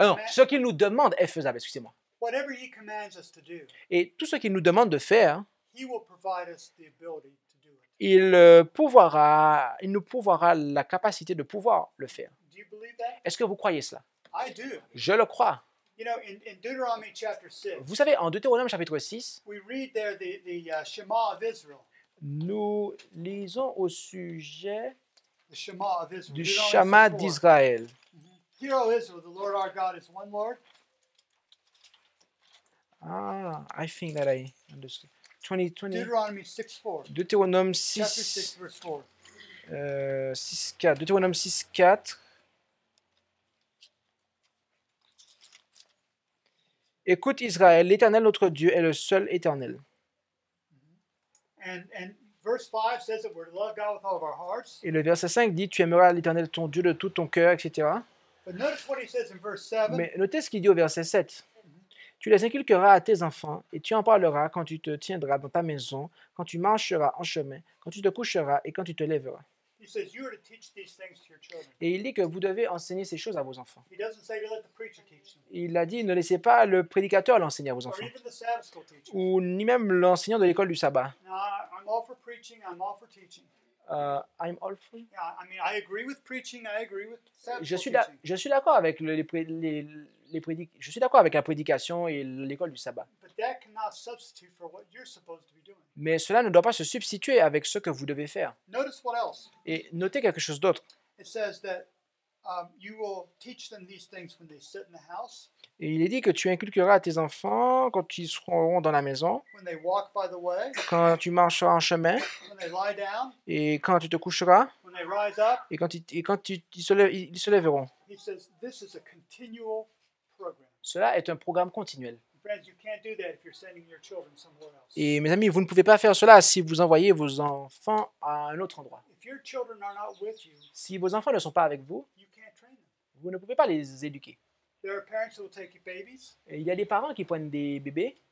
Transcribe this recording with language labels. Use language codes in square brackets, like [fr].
[fr] Ce qu'il nous demande est faisable, excusez-moi. [en] Whatever he commands us to do, [fr] et tout ce qu'il nous demande de faire, [en] he will provide us the ability to do it. [fr] Il nous pourvoira la capacité de pouvoir le faire. [en] Do you believe that? [fr] Est-ce que vous croyez cela? [en] I do. [fr] Je le crois. [en] You know, in Deutéronome chapter 6, [fr] vous savez, en Deutéronome chapitre 6, [en] we read there the Shema of Israel. [fr] Nous lisons au sujet [en] Shema of Israel, [fr] du Shema d'Israël. Mm-hmm. [en] Hear, O Israel, the Lord our God is one Lord. Ah, I think that I understood. 20. Deuteronomy 6:4. [fr] Deutéronome 6. [en] Chapter 6, verse [fr] 4. 6:4. Deutéronome 6:4. Écoute Israël, l'Éternel notre Dieu est le seul Éternel. [en] And verse 5 says that we're to love God with all of our hearts. [fr] Et le verset 5 dit tu aimeras l'Éternel ton Dieu de tout ton cœur, etc. [en] But notice what he says in verse 7. [fr] Mais notez ce qu'il dit au verset 7. Tu les inculqueras à tes enfants et tu en parleras quand tu te tiendras dans ta maison, quand tu marcheras en chemin, quand tu te coucheras et quand tu te lèveras. [en] He says you are to teach these things to your children. [fr] Et il dit que vous devez enseigner ces choses à vos enfants. [en] He doesn't say to let the preacher teach them. [fr] Il a dit ne laissez pas le prédicateur l'enseigner à vos enfants. [en] Or even the Sabbath school teacher. [fr] Ou ni même l'enseignant de l'école du sabbat. [en] No, I'm all for preaching, I'm all for teaching. I'm all for. Yeah, I mean I agree with preaching, I agree with Sabbath school teaching. [fr] Je suis d'accord avec je suis d'accord avec la prédication et l'école du sabbat. [en] But that cannot substitute for what you're supposed to be doing. [fr] Mais cela ne doit pas se substituer avec ce que vous devez faire. [en] Notice what else. [fr] Et notez quelque chose d'autre. [en] It says that you will teach them these things when they sit in the house. [fr] Et il est dit que tu inculqueras à tes enfants quand ils seront dans la maison. [en] When they walk by the way. [fr] Quand tu marcheras en chemin. [en] When they lie down. [fr] Et quand tu te coucheras. [en] When they rise up. [fr] Et quand ils se lèveront. [en] He says this is a continual program. [fr] Cela est un programme continuel. [en] Friends, you can't do that if you're sending your children somewhere else. [fr] Et mes amis, vous ne pouvez pas faire cela si vous envoyez vos enfants à un autre endroit. [en] If your children are not with you, [fr] si vos enfants ne sont pas avec vous, [en] you can't train them. [fr] Vous ne pouvez pas les éduquer. [en] There are parents who will take babies, [fr] et il y a des parents qui prennent des bébés